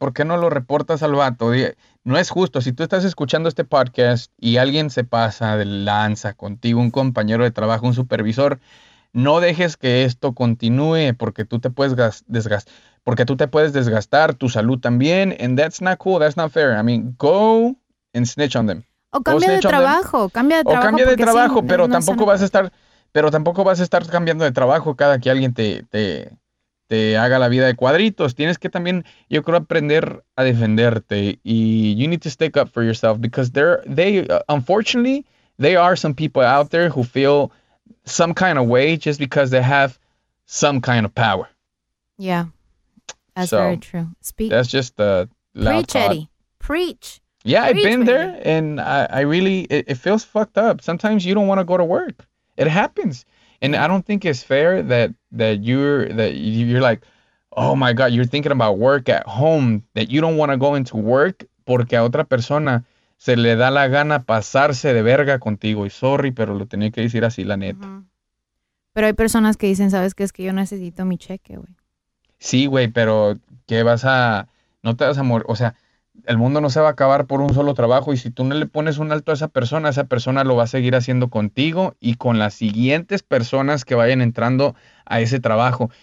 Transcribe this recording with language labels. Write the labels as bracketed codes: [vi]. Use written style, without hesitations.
[es] ¿Por qué no lo reportas al vato? No es justo. Si tú estás escuchando este podcast y alguien se pasa de lanza contigo, un compañero de trabajo, un supervisor, no dejes que esto continúe porque tú te puedes desgastar, tu salud también. [en] And that's not cool, that's not fair. I mean, go and snitch on them. [es] O cambia de trabajo, pero no tampoco vas a estar... Pero tampoco vas a estar cambiando de trabajo cada que alguien te haga la vida de cuadritos. Tienes que también, yo creo, aprender a defenderte. [en] Y you need to stick up for yourself because unfortunately, there are some people out there who feel some kind of way just because they have some kind of power. Yeah, that's very true. Speak. That's just the loud Preach, thought. Eddie. Preach. Yeah, Preach, I've been there and I really, it feels fucked up. Sometimes you don't want to go to work. It happens. And I don't think it's fair that you're like, oh my God, you're thinking about work at home, that you don't want to go into work [es] porque a otra persona se le da la gana pasarse de verga contigo. Y sorry, pero lo tenía que decir así, la neta. Pero hay personas que dicen, ¿sabes qué? Es que yo necesito mi cheque, güey. Sí, güey, pero ¿qué vas a...? No te vas a morir. O sea, el mundo no se va a acabar por un solo trabajo y si tú no le pones un alto a esa persona lo va a seguir haciendo contigo y con las siguientes personas que vayan entrando a ese trabajo.